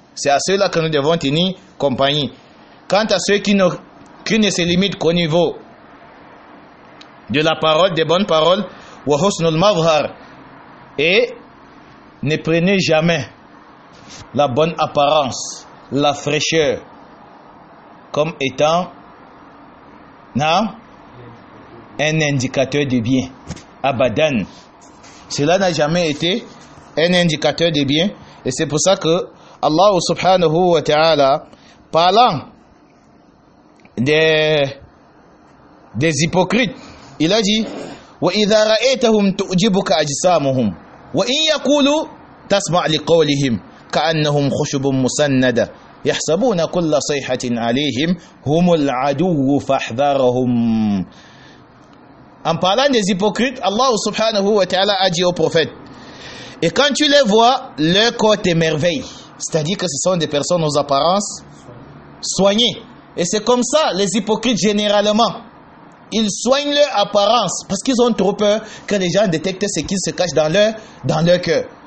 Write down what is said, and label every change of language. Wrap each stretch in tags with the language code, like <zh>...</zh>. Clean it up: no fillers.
<fr>C'est à ceux-là que nous devons tenir compagnie. Quant à ceux qui ne se limitent qu'au niveau de la parole, des bonnes paroles,</fr> <ar>wa husnul mazhar,</ar> <fr>et ne prenez jamais la bonne apparence, la fraîcheur, comme étant un indicateur de bien. Abadan. Cela n'a jamais été un indicateur de bien. Et c'est pour ça que Allah subhanahu wa ta'ala, parlant des hypocrites, il a dit,</fr> <ar>وَإِذَا رَأَيْتَهُمْ تُعْجِبُكَ أَجْسَامُهُمْ وَإِنْ يَقُولُوا تَسْمَعْ لِقَوْلِهِمْ كَأَنَّهُمْ خُشُبٌ مُسَنَّدًا يَحْسَبُونَ كُلَّ صَيْحَةٍ عَلَيْهِمْ هُمُ الْعَدُوُّ فَاحْذَرَهُمْ.</ar> <fr>En parlant des hypocrites, Allah subhanahu wa ta'ala a dit au prophète, et quand tu les vois, leur corps t'émerveille. C'est-à-dire que ce sont des personnes aux apparences soignées. Et c'est comme ça, les hypocrites généralement, ils soignent leur apparence parce qu'ils ont trop peur que les gens détectent ce qui se cache dans leur cœur.</fr>